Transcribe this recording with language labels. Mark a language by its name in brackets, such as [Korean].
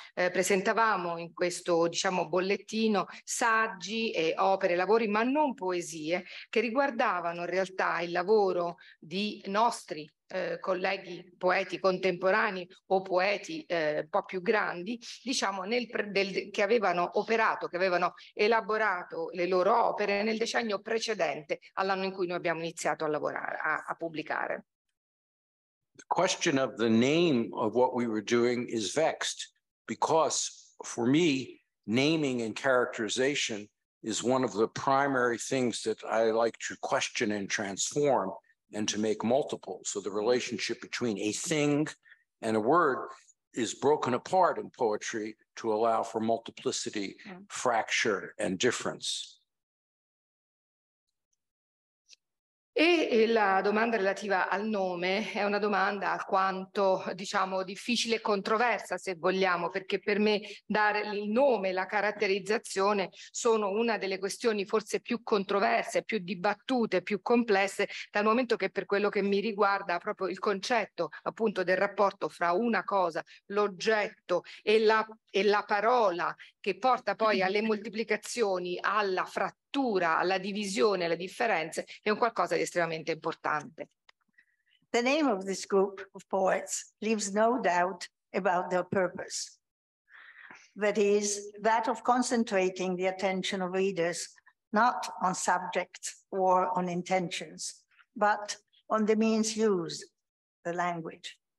[Italian] Presentavamo in questo, diciamo, bollettino saggi e opere, lavori, ma non poesie, che riguardavano in realtà il lavoro di nostri colleghi poeti contemporanei o poeti un po' più grandi, diciamo, che avevano elaborato le loro opere nel decennio precedente all'anno in cui noi abbiamo iniziato a lavorare, a pubblicare. [English] The question of the name of what we were doing is vexed, because for me, naming and characterization is one of the primary things that I like to question and transform and to make multiple. So the relationship between a thing and a word is broken apart in poetry to allow for multiplicity, fracture, and difference. [Italian] E la domanda relativa al nome è una domanda alquanto, diciamo, difficile e controversa, se vogliamo, perché per me dare il nome, la caratterizzazione, sono una delle questioni forse più controverse, più dibattute, più complesse, dal momento che, per quello che mi riguarda, proprio il concetto, appunto, del rapporto fra una cosa, l'oggetto e la parola, che porta poi alle moltiplicazioni, alla frattura, alla divisione, alle differenze, è un qualcosa di estremamente importante. [English] The name of this group of poets leaves no doubt about their purpose, that is, that of concentrating the attention of readers not on subjects or on intentions, but on the means used, the language.